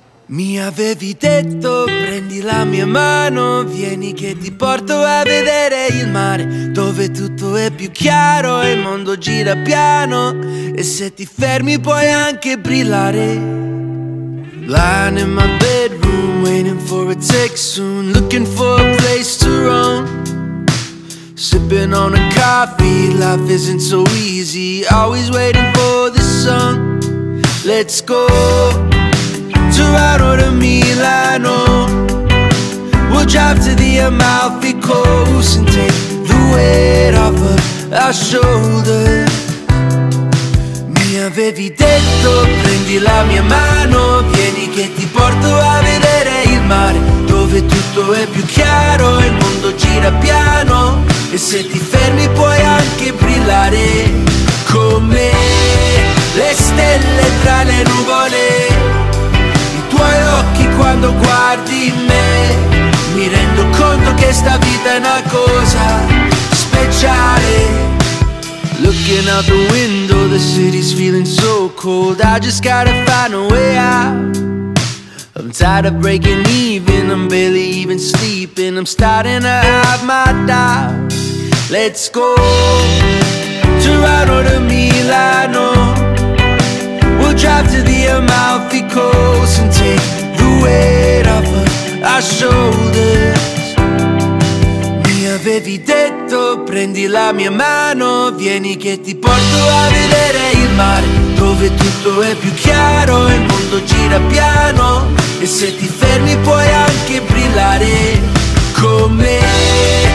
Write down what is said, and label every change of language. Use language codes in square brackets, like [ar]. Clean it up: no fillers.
[it] Mi avevi detto, prendi la mia mano, vieni che ti porto a vedere il mare, dove tutto è più chiaro, il mondo gira piano, e se ti fermi puoi anche brillare. [en] Lying in my bedroom, waiting for a text soon, looking for a place to roam. Sipping on a coffee, life isn't so easy, always waiting for the sun. Let's go Toronto to Milano. We'll drive to the Amalfi Coast and take the weight off of our shoulders. [it] Mi avevi detto, prendi la mia mano, vieni che ti porto a vedere il mare, dove tutto è più chiaro, il mondo gira piano, e se ti fermi puoi anche brillare con me. Le stelle tra le nuvole, tuoi occhi quando guardi me, mi rendo conto che sta vita è una cosa speciale. [en] Looking out the window, the city's feeling so cold, I just gotta find a way out. I'm tired of breaking even, I'm barely even sleeping, I'm starting to have my doubts. Let's go Toronto to Milano, we'll drive to the Amalfi Coast and take the weight off of our shoulders. [it] Mi avevi detto, prendi la mia mano, vieni che ti porto a vedere il mare, dove tutto è più chiaro, il mondo gira piano, e se ti fermi puoi anche brillare con me.